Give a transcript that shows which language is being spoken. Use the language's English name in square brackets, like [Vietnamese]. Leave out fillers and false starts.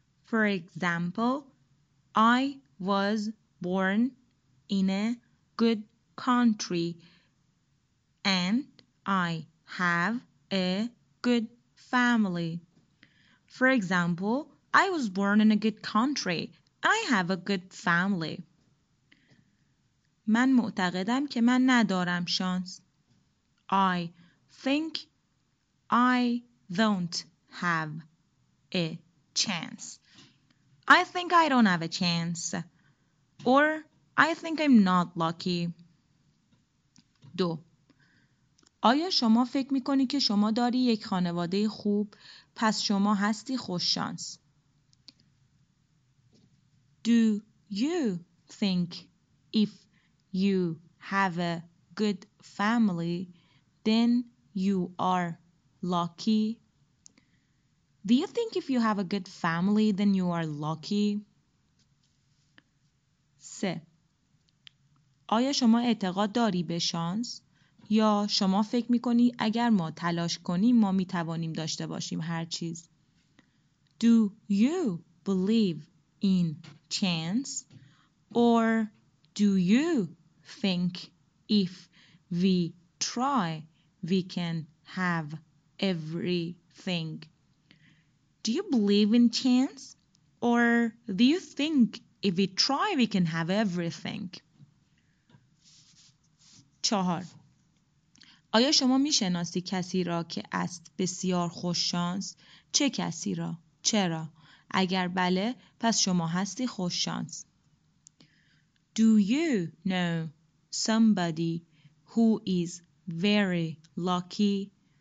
[English] For example, I was born in a good country and I have a good family. For example, I was born in a good country. I have a good family. [Persian] من معتقدم که من ندارم شانس. [English] I think I don't have a chance. I think I don't have a chance. Or I think I'm not lucky. [Persian] دو. آیا شما فکر میکنی که شما داری یک خانواده خوب پس شما هستی خوش شانس؟ [English] Do you think if you have a good family, then you are lucky? Do you think if you have a good family, then you are lucky? [Persian] سه. آیا شما اعتقاد داری به شانس؟ یا شما فکر میکنی اگر ما تلاش کنیم ما میتوانیم داشته باشیم هر چیز؟ [English] Do you believe in chance? Or do you think if we try, we can have everything? Do you believe in chance? Or do you think if we try, we can have everything? [Persian] چهار. آیا شما می شناسی کسی را که است بسیار خوش شانس؟ چه کسی را؟ چرا؟ اگر بله، پس شما هستی خوش شانس. [English] Do you know somebody who is very lucky?